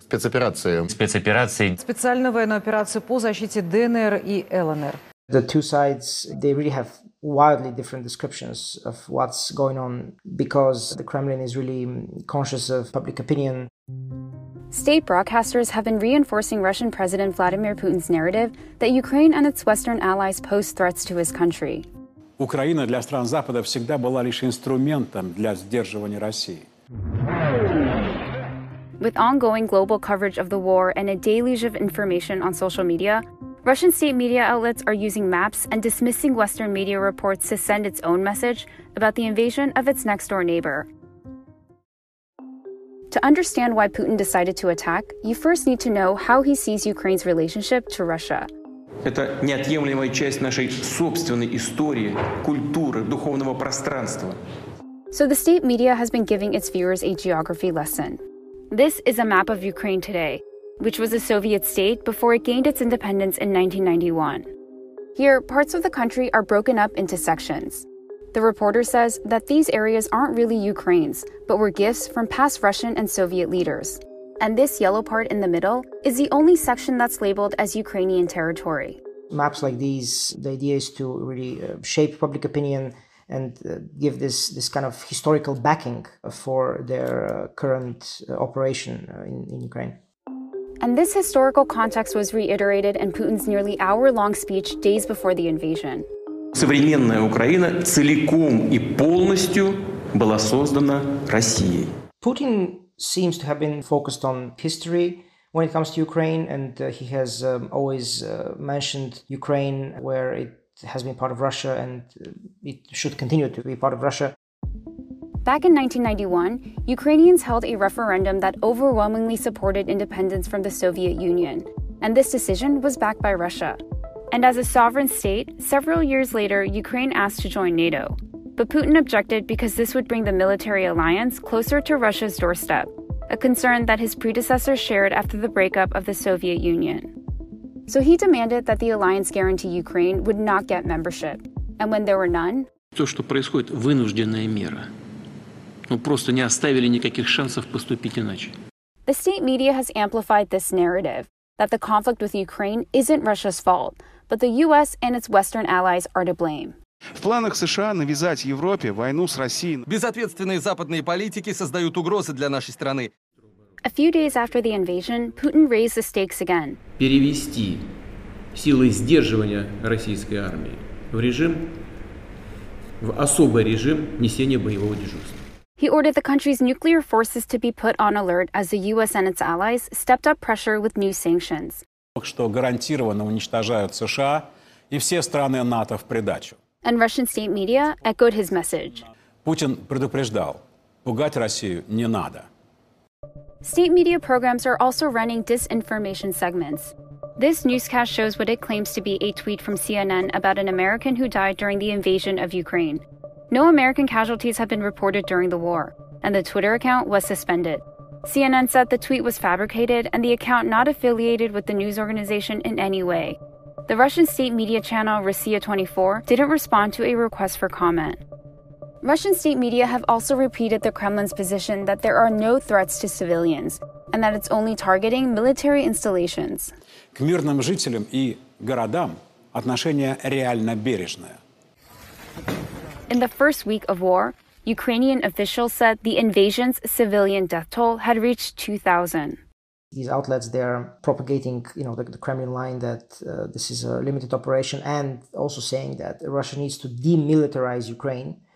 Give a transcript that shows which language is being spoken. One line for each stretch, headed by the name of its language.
English: The two sides, they really have wildly different descriptions of what's going on because the Kremlin is really conscious of public opinion. State broadcasters have been reinforcing Russian President Vladimir Putin's narrative that Ukraine and its Western allies pose threats to his country.
Russian: Украина для стран Запада всегда была лишь инструментом для сдерживания России.
English: With ongoing global coverage of the war and a deluge of information on social media, Russian state media outlets are using maps and dismissing Western media reports to send its own message about the invasion of its next-door neighbor. To understand why Putin decided to attack, you first need to know how he sees Ukraine's relationship to Russia.
Russian: Это неотъемлемая часть нашей собственной истории, культуры, духовного пространства.
English: So the state media has been giving its viewers a geography lesson. This is a map of Ukraine today, which was a Soviet state before it gained its independence in 1991. Here, parts of the country are broken up into sections. The reporter says that these areas aren't really Ukraine's, but were gifts from past Russian and Soviet leaders. And this yellow part in the middle is the only section that's labeled as Ukrainian territory. Maps like these, the idea is to really shape public opinion and give this kind of historical backing for their current operation in Ukraine. And this historical context was reiterated in Putin's nearly hour-long speech days before the invasion.
Russian: Современная Украина целиком и полностью была создана Россией.
English: Putin seems to have been focused on history when it comes to Ukraine, and he has always mentioned Ukraine where it has been part of Russia and it should continue to be part of Russia. Back in 1991, Ukrainians held a referendum that overwhelmingly supported independence from the Soviet Union, and this decision was backed by Russia. And as a sovereign state, several years later, Ukraine asked to join NATO. But Putin objected because this would bring the military alliance closer to Russia's doorstep, a concern that his predecessor shared after the breakup of the Soviet Union. So he demanded that the alliance guarantee Ukraine would not get membership. And when there were none...
Russian: То, что происходит, вынужденная мера. Ну, просто не оставили никаких шансов поступить иначе.
English: The state media has amplified this narrative, that the conflict with Ukraine isn't Russia's fault, but the US and its Western allies are to blame.
Russian: В планах США навязать Европе войну с Россией. Безответственные западные политики создают угрозы для нашей страны.
English: A few days after the invasion, Putin raised the stakes again.
Russian: Перевести силы сдерживания российской армии в особый режим несения боевого дежурства.
English: He ordered the country's nuclear forces to be put on alert as the US and its allies stepped up pressure with new sanctions.
Russian: Что гарантированно уничтожают США и все страны НАТО в придачу.
English: And Russian state media echoed his message.
Russian: Путин предупреждал, пугать Россию не надо.
English: State media programs are also running disinformation segments. This newscast shows what it claims to be a tweet from CNN about an American who died during the invasion of Ukraine. No American casualties have been reported during the war, and the Twitter account was suspended. CNN said the tweet was fabricated and the account not affiliated with the news organization in any way. The Russian state media channel Russia24 didn't respond to a request for comment. Russian state media have also repeated the Kremlin's position that there are no threats to civilians and that it's only targeting military installations.
Russian: К мирным жителям и городам отношение реально бережное.
English: In the first week of war, Ukrainian officials said the invasion's civilian death toll had reached 2,000. These outlets, they're propagating, you know, the Kremlin line that this is a limited operation, and also saying that Russia needs to demilitarize Ukraine.